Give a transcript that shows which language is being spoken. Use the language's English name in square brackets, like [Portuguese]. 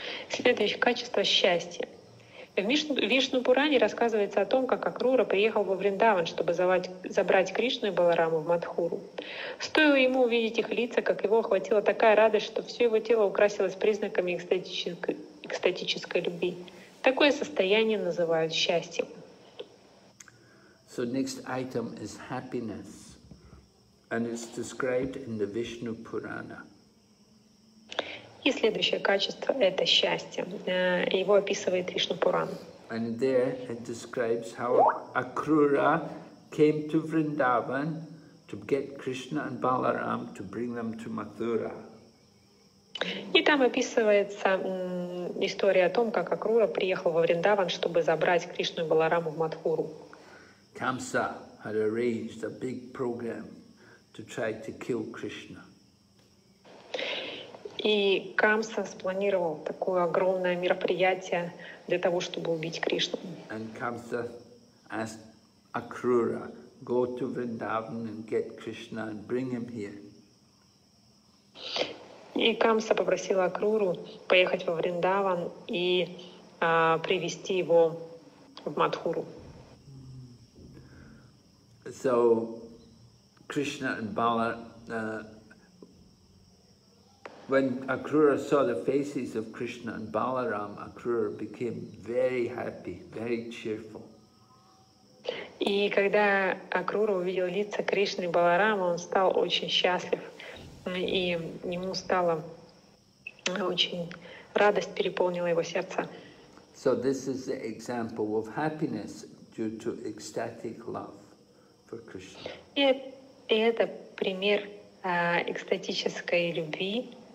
[Russian] Следующее качество счастья. В Вишну Пуране рассказывается о том, как Акрура приехал во Вриндаван, чтобы забрать Кришну и Балараму в Матхуру. Стоило ему увидеть их лица, как его охватила такая радость, что все его тело украсилось признаками экстатической любви. Такое состояние называют счастьем. [English] So next item is happiness, and it's described in the Vishnu Purana. [Russian] И следующее качество — это счастье. Его описывает Вишну Пуран. [English] And there it describes how Akrura came to Vrindavan to get Krishna and Balaram to bring them to Mathura. [Russian] И там описывается история о том, как Акрура приехал во Вриндаван, чтобы забрать Кришну и Балараму в Матхуру. [English] Камса had arranged a big program to try to kill Krishna. [Russian] И Камса спланировал такое огромное мероприятие для того, чтобы убить Кришну. [English] And Камса asked Акрура, go to Vrindavan and get Krishna and bring him here. [Russian] И Камса попросила Акруру поехать во Вриндаван и привести его в Матхуру. [English] So Krishna and Bala, when Akrura saw the faces of Krishna and Balaram, Akrura became very happy, very cheerful. [Russian] И когда Акрура увидел лица Кришны и Баларама, он стал очень счастлив. И ему стало очень радость переполнила его сердце. [English] So this is the example of happiness due to ecstatic love for Krishna. [Russian] И это пример экстатической любви.